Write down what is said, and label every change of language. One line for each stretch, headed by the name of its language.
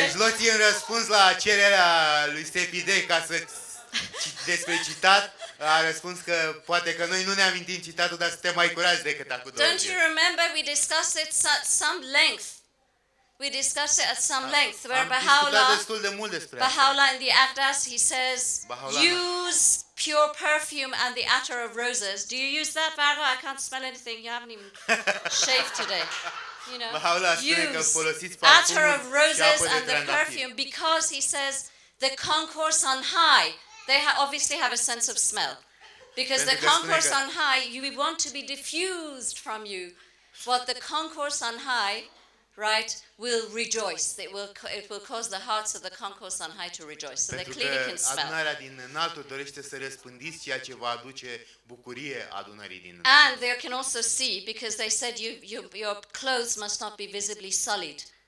Romanian: Deci Loti în răspuns la cererea lui Stepidei ca să despre citat a răspuns că poate că noi nu ne amintim citatul, dar suntem mai curați decât acum.
English: Don't you remember we discussed it at some length? We discussed it at some length where Baha'u'llah in the Agdas he says use pure perfume and the attar of roses. Do you use that, Baha'u'llah? I can't smell anything. You haven't even shaved today. You know, use attar of roses and the perfume because he says the concourse on high, they obviously have a sense of smell. Because the concourse on high, you want to be diffused from you. But the concourse on high, right, will rejoice. It will cause the hearts of the concourse on high to rejoice. So
Romanian: pentru
English: they clearly can smell.
Romanian: Pentru că adunarea din înalt dorește să răspândiți ceea ce va aduce bucurie adunării din înalt.
English: And they can also see because they said your clothes must not be visibly sullied.